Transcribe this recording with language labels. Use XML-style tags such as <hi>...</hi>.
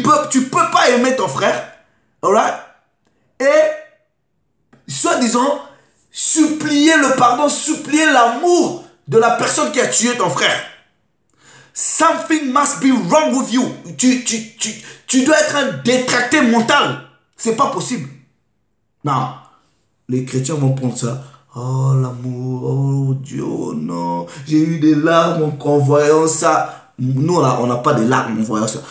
<fr>Tu peux pas aimer ton frère, alright? Et, soi-disant, supplier le pardon, supplier l'amour de la personne qui a tué ton frère.</fr> <en>Something must be wrong with you.</en> <fr>Tu dois être un détracté mental. C'est pas possible. Non. Les chrétiens vont prendre ça. Oh, l'amour, oh Dieu, non. J'ai eu des larmes en voyant ça. Nous, là, on n'a pas de larmes en voyant ça.</fr>